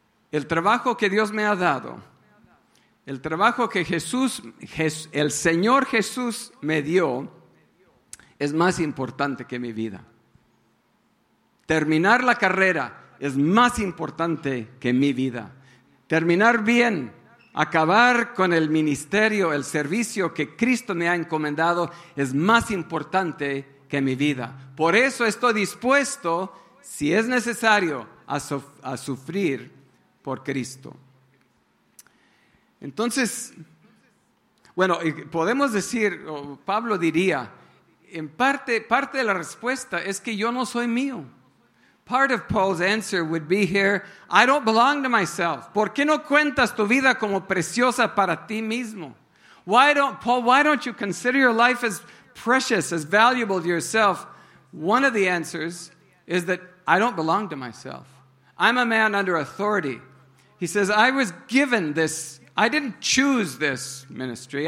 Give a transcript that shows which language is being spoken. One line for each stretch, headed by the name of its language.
Spanish: El trabajo que Dios me ha dado, el trabajo que el Señor Jesús me dio, es más importante que mi vida. Terminar la carrera es más importante que mi vida. Terminar bien, acabar con el ministerio, el servicio que Cristo me ha encomendado, es más importante que mi vida. Por eso estoy dispuesto, si es necesario, a sufrir por Cristo. Entonces, bueno, podemos decir, o Pablo diría, en parte de la respuesta es que yo no soy mío.
English: Part of Paul's answer would be here, I don't belong to myself.
Spanish: ¿Por qué no cuentas tu vida como preciosa para ti mismo?
English: Why don't you consider your life as precious, as valuable to yourself? One of the answers is that I don't belong to myself. I'm a man under authority. He says, I was given this. I didn't choose this ministry.